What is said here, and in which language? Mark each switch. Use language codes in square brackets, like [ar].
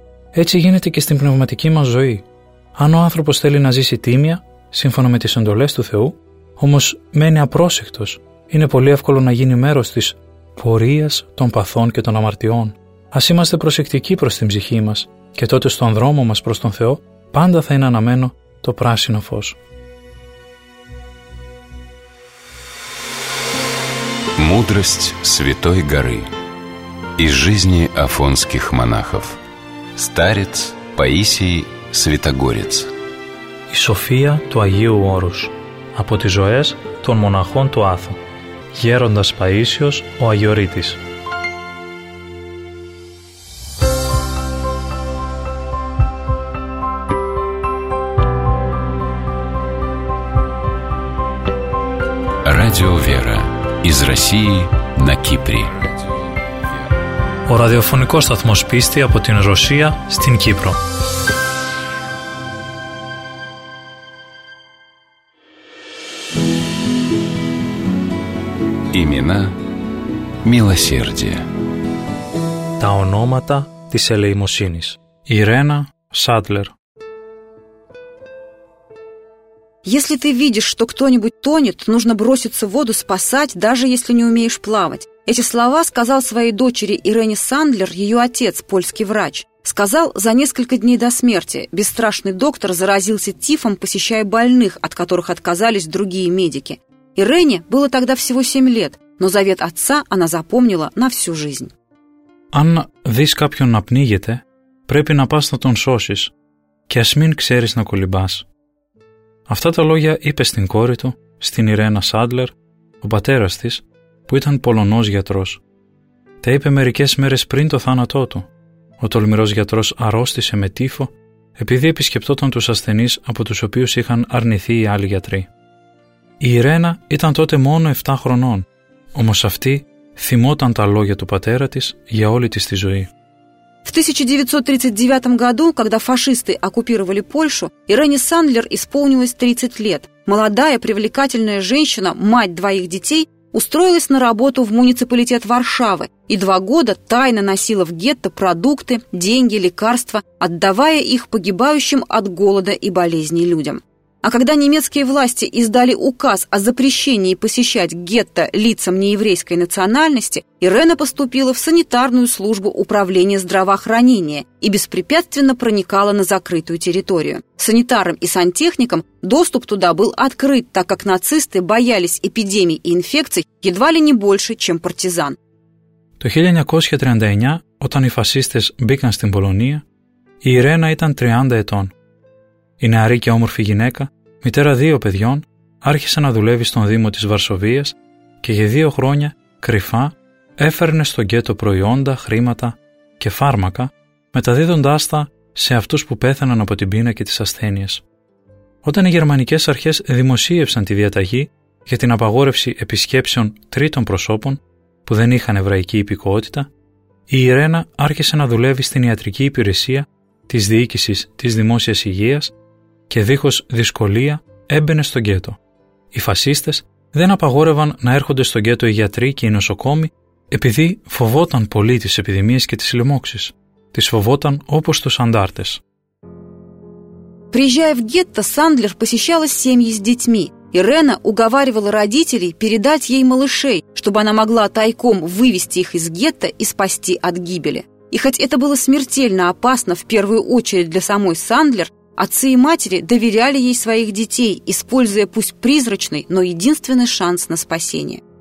[el] Έτσι γίνεται και στην πνευματική μας ζωή. Αν ο άνθρωπος θέλει να ζήσει τίμια, σύμφωνα με τις εντολές του Θεού, όμως μένει απρόσεκτος, είναι πολύ εύκολο να γίνει μέρος της πορείας των παθών και των αμαρτιών. Ας είμαστε προσεκτικοί προς την ψυχή μας και τότε στον δρόμο μας προς τον Θεό πάντα θα είναι αναμένο το πράσινο φως. [ru] Мудрость Святой Горы из жизни афонских монахов. Старец Паисий Святогорец. [el] И София του Αγίου Όρους από τις ζωές των μοναχών του Άθου. Γέροντας Παΐσιος ο Αγιορείτης. [ru] Радио Вера. Из России на Кипре. [el] Ο ραδιοφωνικός σταθμός πίστη από την Ρωσία στην Κύπρο. [ru] Имена милосердия. [el] Τα ονόματα της ελεημοσύνης. Ιρένα Σάντλερ. [ru] Если ты видишь, что кто-нибудь тонет, нужно броситься в воду спасать, даже если не умеешь плавать. Эти слова сказал своей дочери Ирене Сандлер ее отец, польский врач. Сказал за несколько дней до смерти. Бесстрашный доктор заразился тифом, посещая больных, от которых отказались другие медики. Ирене было тогда всего 7 лет, но завет отца она запомнила на всю жизнь. [el] Αν δεις κάποιον να πνίγεται, πρέπει να πας να τον σώσεις και ας μην ξέρεις να κολυμπάς. Αυτά τα λόγια είπε στην κόρη του, στην Ιρένα Σάντλερ, ο πατέρας της, που ήταν Πολωνός γιατρός. Τα είπε μερικές μέρες πριν το θάνατό του. Ο τολμηρός γιατρός αρρώστησε με τύφο, επειδή επισκεπτόταν τους ασθενείς από τους οποίους είχαν αρνηθεί οι άλλοι γιατροί. Η Ιρένα ήταν τότε μόνο 7 χρονών, όμως αυτή θυμόταν τα λόγια του πατέρα της για όλη της τη ζωή. [ru] В 1939 году, когда фашисты оккупировали Польшу, Ирене Сандлер исполнилось 30 лет. Молодая, привлекательная женщина, мать двоих детей, устроилась на работу в муниципалитет Варшавы и 2 года тайно носила в гетто продукты, деньги, лекарства, отдавая их погибающим от голода и болезней людям. А когда немецкие власти издали указ о запрещении посещать гетто лицам нееврейской национальности, Ирена поступила в санитарную службу управления здравоохранения и беспрепятственно проникала на закрытую территорию. Санитарам и сантехникам доступ туда был открыт, так как нацисты боялись эпидемий и инфекций едва ли не больше, чем партизан. [el] Το 1939, όταν οι φασίστες μπήκαν στην Πολωνία, η Ιρένα ήταν 30 ετών. Η νεαρή και όμορφη γυναίκα, μητέρα 2 παιδιών, άρχισε να δουλεύει στον Δήμο της Βαρσοβίας και για 2 χρόνια, κρυφά, έφερνε στο γκέτο προϊόντα, χρήματα και φάρμακα, μεταδίδοντάς τα σε αυτούς που πέθαναν από την πείνα και τις ασθένειες. Όταν οι γερμανικές αρχές δημοσίευσαν τη διαταγή για την απαγόρευση επισκέψεων τρίτων προσώπων που δεν είχαν εβραϊκή υπηκότητα, η Ιρένα άρχισε να δουλεύει στην ιατρική υπηρεσία της διοίκησης της δημόσιας υγείας και δίχως δυσκολία έμπαινε στο γκέτο. Οι φασίστες δεν απαγόρευαν να έρχονται στο γκέτο οι γιατροί και οι νοσοκόμοι επειδή φοβόταν πολύ τις επιδημίες και τις λοιμώξεις. Τις φοβόταν όπως τους αντάρτες. [ru] Приезжая в гетто, Сандлер посещала семьи с детьми. Ирена уговаривала родителей передать ей малышей, чтобы она могла тайком вывести их из гетто и спасти от гибели. И хоть это было смертельно опасно в первую очередь для самой Сандлер, отцы и матери доверяли ей своих детей, используя пусть призрачный, но единственный шанс на спасение.